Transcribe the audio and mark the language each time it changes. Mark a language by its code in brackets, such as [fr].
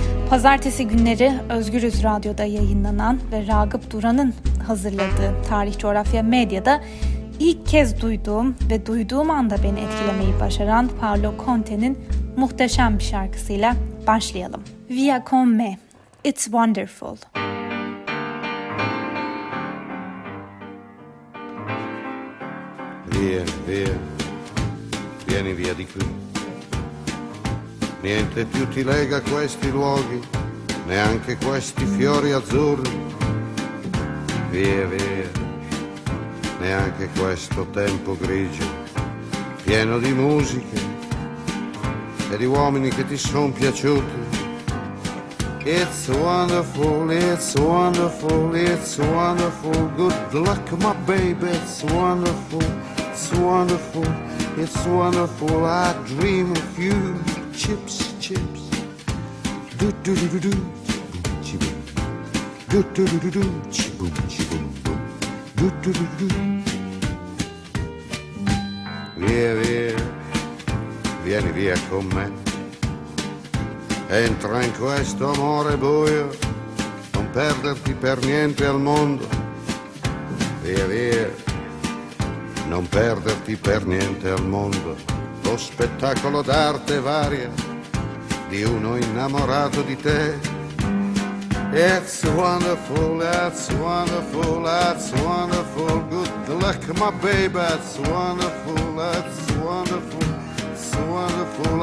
[tr] Pazartesi günleri Özgürüz Radyo'da yayınlanan ve Ragıp Duran'ın hazırladığı Tarih Coğrafya Medya'da ilk kez duyduğum ve duyduğum anda beni etkilemeyi başaran Paolo Conte'nin muhteşem bir şarkısıyla başlayalım. [it] Via con me, [en] it's wonderful. [it] Via, via, vieni via di qui. Niente più ti lega questi luoghi, neanche questi fiori azzurri. Via, via, neanche questo tempo grigio, pieno di musiche e di uomini che ti son piaciuti. [en] It's wonderful, it's wonderful, it's wonderful. Good luck, my baby, it's wonderful, it's wonderful, it's wonderful. I dream of you. Chips, chips, do do do do do, chibum chibum, do do do do do, chibum chibum, do do do do. [it] Via via, vieni via con me. Entra in questo amore buio, non perderti per niente al mondo. Via via, non perderti per niente al mondo. Lo spettacolo d'arte varia di uno innamorato di te. [en] It's wonderful, that's wonderful, that's wonderful. Good luck, my baby. It's wonderful, that's wonderful, it's wonderful.